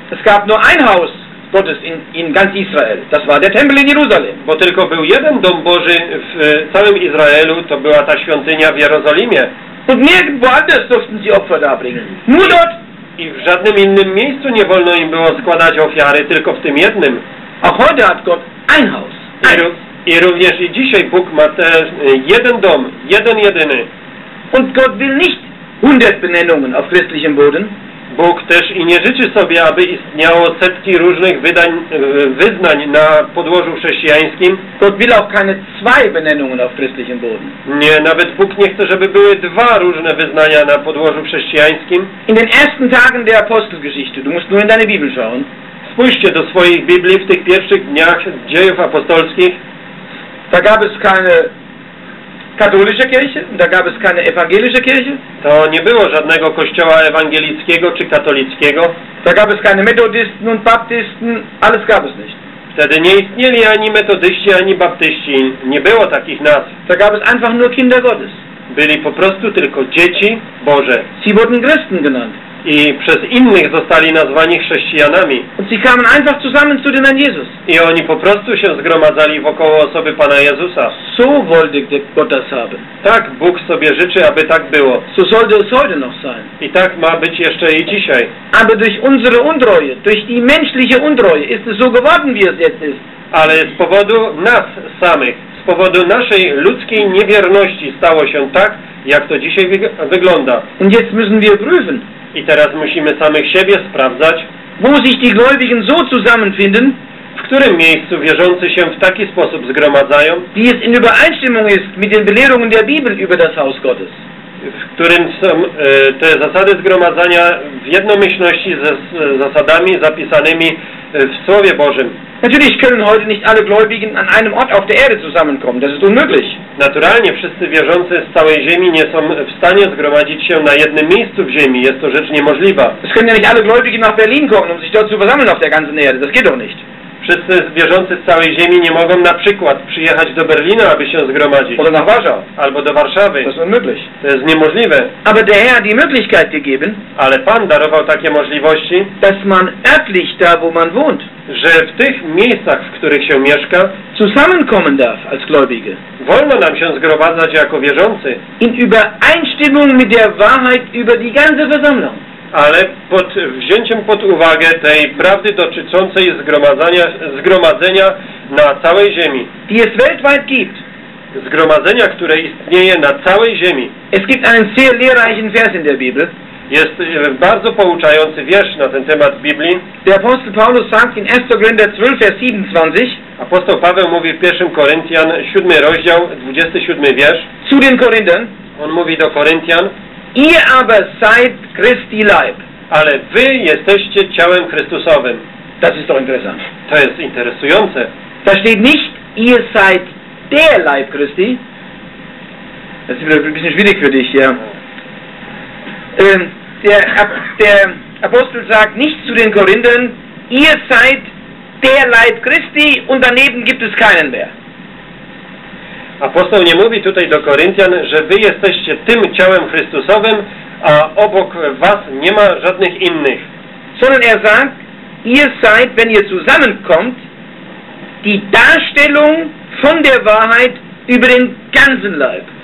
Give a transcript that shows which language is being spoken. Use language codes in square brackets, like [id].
[de] Es gab nur ein Haus Gottes in ganz Israel. Das war der Tempel in Jerusalem. [pl] Bo tylko był jeden dom Boży w całym Izraelu, to była ta świątynia w Jerozolimie. [de] Und nirgendwo anders durften sie Opfer darbringen. Nur dort. [pl] I w żadnym innym miejscu nie wolno im było składać ofiary, tylko w tym jednym. [de] Auch heute hat Gott ein Haus. [pl] I również i dzisiaj Bóg ma też jeden dom, jeden jedyny. [de] Und Gott will nicht 100 Benennungen auf christlichem Boden. [pl] Bóg też i nie życzy sobie, aby istniało setki różnych wyznań na podłożu chrześcijańskim. [de] Gott will auch keine zwei Benennungen auf christlichem Boden. [pl] Nie, nawet Bóg nie chce, żeby były dwa różne wyznania na podłożu chrześcijańskim. [de] In den ersten Tagen der Apostelgeschichte, du musst nur in deine Bibel schauen. [pl] Spójrzcie do swoich Biblii w tych pierwszych dniach dziejów apostolskich. [de] Da gab es keine katholische Kirche, da gab es keine evangelische Kirche. [pl] To nie było żadnego kościoła ewangelickiego czy katolickiego. [de] Da gab es keine Methodisten und Baptisten, alles gab es nicht. [pl] Wtedy nie istnieli ani metodyści, ani baptyści. Nie było takich nazw. [de] Da gab es einfach nur Kinder Gottes. [pl] Byli po prostu tylko dzieci Boże. [de] Sie wurden Christen genannt. [pl] I przez innych zostali nazwani chrześcijanami. [de] Und sie kamen einfach zusammen zu dem Herrn Jesus. [pl] I oni po prostu się zgromadzali wokół osoby Pana Jezusa. [de] So wollte Gott das haben. [pl] Tak Bóg sobie życzy, aby tak było. [de] So sollte es heute noch sein. [pl] I tak ma być jeszcze i dzisiaj. [de] Aber durch unsere Untreue, durch die menschliche Untreue, ist es so geworden, wie es jetzt ist. [pl] Ale z powodu nas samych, z powodu naszej ludzkiej niewierności stało się tak, jak to dzisiaj wygląda. [de] Und jetzt müssen wir prüfen. [pl] I teraz musimy samych siebie sprawdzać. [de] Wo sich die Gläubigen so zusammenfinden? [pl] W którym miejscu wierzący się w taki sposób zgromadzają? [de] Wie es in Übereinstimmung ist mit den Belehrungen der Bibel über das Haus Gottes. [pl] W którym są te zasady zgromadzania w jednomyślności ze zasadami zapisanymi w Słowie Bożym. [de] Natürlich können heute nicht alle Gläubigen an einem Ort auf der Erde zusammenkommen. Das ist unmöglich. [pl] Naturalnie wszyscy wierzący z całej ziemi nie są w stanie zgromadzić się na jednym miejscu w ziemi. Jest to rzecz niemożliwa. [de] Es können ja nicht alle Gläubigen nach Berlin kommen, um sich dort zu versammeln auf der ganzen Erde. Das geht doch nicht. [pl] wszyscy wierzący z całej ziemi nie mogą na przykład przyjechać do Berlina, aby się zgromadzić. [de] Oder nach Warschau. [pl] Albo do Warszawy. [de] Das ist unmöglich. [pl] To jest niemożliwe. [de] Aber der Herr hat die Möglichkeit gegeben, [pl] ale Pan darował takie możliwości, [de] dass man örtlich da, wo man wohnt, [pl] że w tych miejscach, w których się mieszka, [de] zusammenkommen darf als Gläubige. [pl] Wolno nam się zgromadzać jako wierzący. [de] In Übereinstimmung mit der Wahrheit über die ganze Versammlung. [pl] Ale pod wzięciem pod uwagę tej prawdy dotyczącej zgromadzenia na całej ziemi. [de] Die es weltweit gibt. [pl] Zgromadzenia, które istnieje na całej ziemi. [de] Es gibt einen sehr lehrreichen Vers in der Bibel. [pl] Jest bardzo pouczający wiersz na ten temat w Biblii. [de] Der Apostel Paulus sagt in 1. Korinther 12, Vers 27. [pl] Apostoł Paweł mówi w 1. Koryntian, 7 rozdział, 27 wiersz. [de] Zu den Korinthern. [pl] On mówi do Koryntian. [de] Ihr aber seid Christi Leib. [pl] Ale wy jesteście ciałem Chrystusowym. [de] Das ist doch interessant. [pl] To jest interesujące. [de] Da steht nicht, ihr seid der Leib Christi. Das ist ein bisschen schwierig für dich, ja. Der Apostel sagt nicht zu den Korinthern, ihr seid der Leib Christi und daneben gibt es keinen mehr. [pl] Apostoł nie mówi tutaj do Koryntian, że wy jesteście tym ciałem Chrystusowym, a obok was nie ma żadnych innych. [de] Sondern er sagt, ihr seid, wenn ihr zusammenkommt, die Darstellung von der Wahrheit über den ganzen Leib.